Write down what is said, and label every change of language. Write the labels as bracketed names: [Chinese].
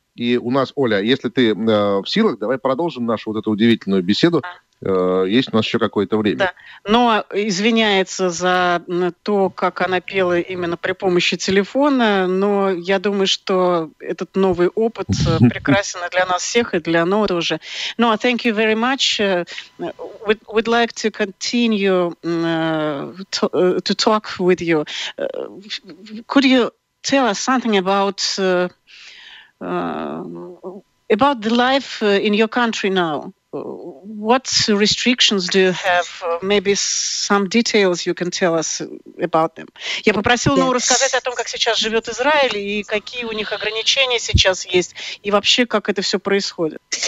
[Russian] И у нас, Оля, если ты в силах, давай продолжим нашу вот эту удивительную беседу. Есть у нас еще какое-то время. Да. Ноа извиняется за то, как она пела именно при помощи телефона, но я думаю, что этот новый опыт прекрасен для нас всех и для Ноа тоже. [English] Ноа, thank you very much. We'd like to continue to talk with you. Could you tell us something about the life in your country now? What restrictions do you have? Maybe some details you can tell us about them. [Russian] Я попросила Ноу рассказать о том, как сейчас живет Израиль и какие у них ограничения сейчас есть и вообще как это все происходит.